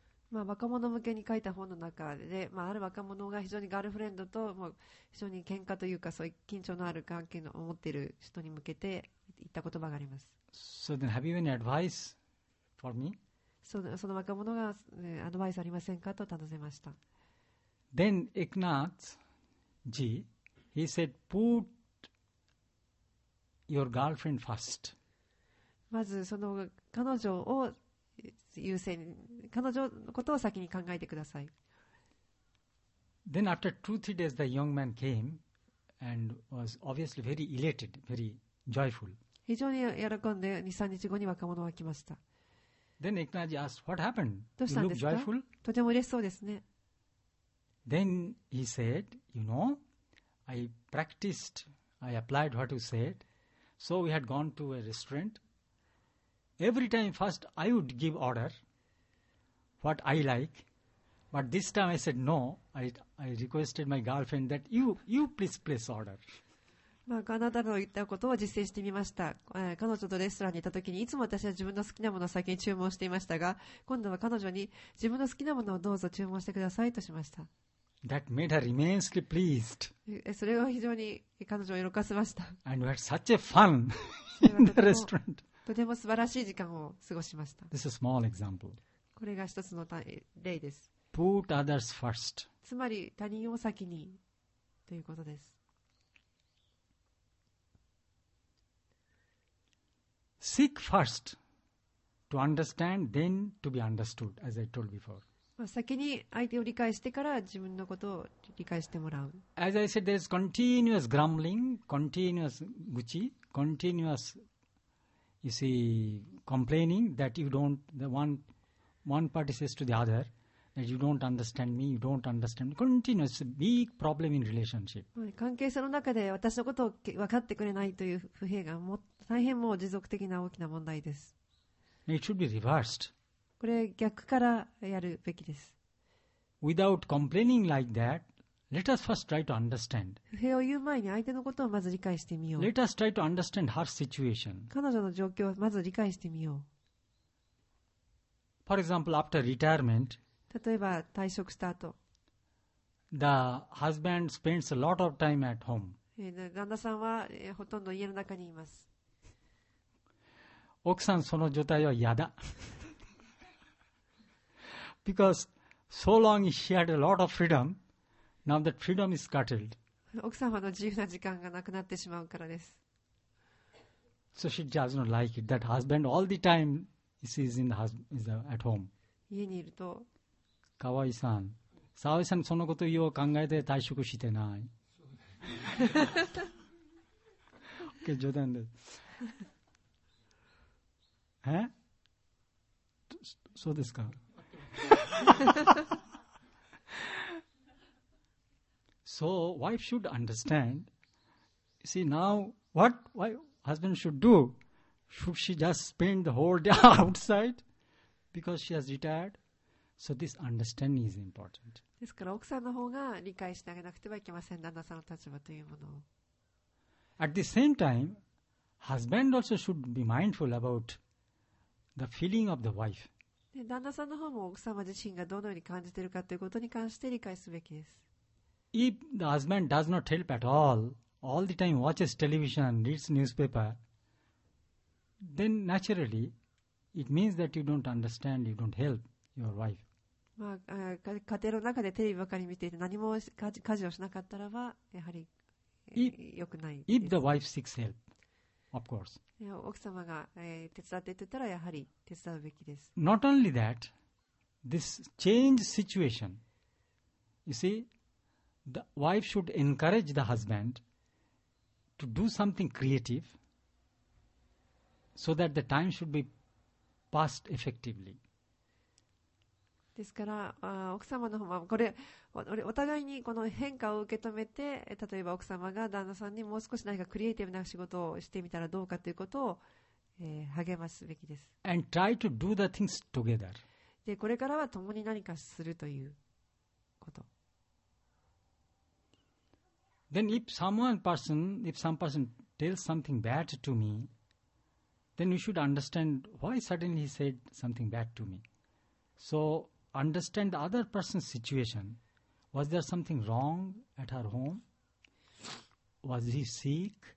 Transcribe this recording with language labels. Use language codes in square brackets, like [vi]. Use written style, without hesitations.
[ja] まあ若者向けに書いた本の中で、まあある若者が非常にガールフレンドと、もう非常に喧嘩というかそういう緊張のある関係を持っている人に向けて言った言葉があります。 [en] So then, have you any advice for me? [ja] その若者が、ね、アドバイスありませんかと尋ねました。 [en] Then Eknath G, he said, put. Your girlfriend first. [ja] まずその彼女を優先彼女のことを先に考えてください [en] Then after two, three days the young man came and was obviously very elated, very joyful. [ja] 非常に喜んで、2、3日後に若者は来ました。 [en] Then Eknaji asked, what happened? You look joyful? [ja] とても嬉しそうですね。 [en] Then he said, you know, I practiced, I applied what you said. So we had gone to a restaurant. Every time first I would give order, what I like. But this time I said no, I requested my girlfriend that you please place order. [ja] まあ、あなたの言ったことを実践してみました。彼女とレストランに行った時にいつも私は自分の好きなものを先に注文していましたが、今度は彼女に自分の好きなものをどうぞ注文してくださいとしました。 [en] That made her immensely pleased. [ja] それは非常に彼女を喜ばせました。 [en] And we had such a fun in the restaurant. [ja] とても素晴らしい時間を過ごしました。 [en] This is a small example. [ja] これが一つの例です。 [en] Put others first. [ja] つまり他人を先にということです。 [en] Seek first to understand, then to be understood, as I told before. [ja] 先に相手を理解してから自分のことを理解してもらう。 [en] As I said, there is continuous grumbling, continuous 愚痴, continuous, you see, complaining that you don't, the one party says to the other, that you don't understand me, you don't understand me. Continuous, big problem in relationship. [ja] 関係性の中で私のことを分かってくれないという不平がもっと大変もう持続的な大きな問題です。 [en] It should be reversed. [ja] これ逆からやるべきです。 [en] Without complaining like that, let us first try to understand. [ja] 不平を言う前に相手のことをまず理解してみよう。 [en] Let us try to understand her situation. [ja] 彼女の状況をまず理解してみよう。 [en] For example, after retirement, [ja] 例えば退職した後、 [en] The husband spends a lot of time at home. [ja] 旦那さんはほとんど家の中にいます。奥さんその状態は嫌だ。 [en] Because so long she had a lot of freedom, now that freedom is curtailed. [ja] 奥様の自由な時間がなくなってしまうからです。 [en] So she does not like it. That husband all the time is at home. [ja] 家にいると。かわいさん。沢井さんそのことを考えて退職してない。 OK、冗談です。そうですか。 [en] So wife should understand. See now what husband should do? Should she just spend the whole day outside because she has retired? So this understanding is important. [ja] ですから奥さんの方が理解してあげなくてはいけません。旦那さんの立場というものを。 [en] At the same time, husband also should be mindful aboutThe feeling of the wife. [ja] で旦那さんの方も奥様自身がどのように感じているかということに関して理解すべきです。 [en] If the husband does not help at all, all the time watches television, reads newspaper, then naturally it means that you don't understand, you don't help your wife. [ja] まあ、家庭の中でテレビばかり見ていて何も家事をしなかったらば、やはり良くない。 [en] If the wife seeks help. Of course. [ja] 奥様が、手伝ってと言ったらやはり手伝うべきです。 [en] Not only that, this change situation, you see, the wife should encourage the husband to do something creative so that the time should be passed effectively. [ja] ですから奥様の方はこれ お互いにこの変化を受け止めて例えば奥様が旦那さんにもう少し何かクリエイティブな仕事をしてみたらどうかということを、励ますべきです [en] And try to do the things together. [ja] でこれからは共に何かするということ [en] Then if some person tells something bad to me then you should understand why suddenly he said something bad to me soUnderstand the other person's situation. Was there something wrong at her home? Was he sick?